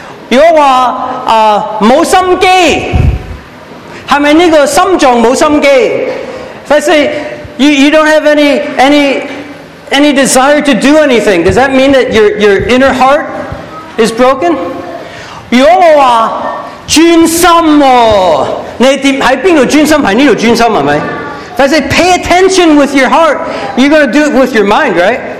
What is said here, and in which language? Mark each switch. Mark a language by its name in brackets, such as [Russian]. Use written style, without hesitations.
[English] 如果话啊冇心机，系咪呢个心脏冇心机？If I say you don't have any desire to do anything, does that mean that your inner heart is broken? [Cantonese] 如果我话专心喎，你点喺边度专心？ [English] 喺呢度专心系咪？If I say pay attention with your heart, you're going to do it with your mind, right?